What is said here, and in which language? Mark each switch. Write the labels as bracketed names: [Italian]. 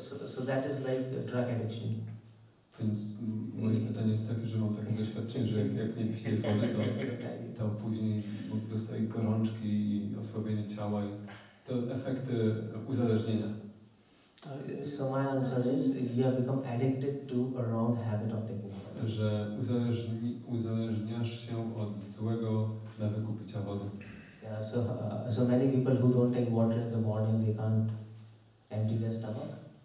[English] So that is like a drug addiction. [Polish] Więc moje pytanie jest takie, że mam takie doświadczenie, że jak nie piję wody, to później dostaję gorączki i osłabienie ciała i to efekty uzależnienia. [English] So my answer is, you have become addicted to a wrong habit of taking water. [Polish] Że uzależniasz się od złego nawyku picia wody. [English] So many people who don't take water in the morning, they can't empty their stomach.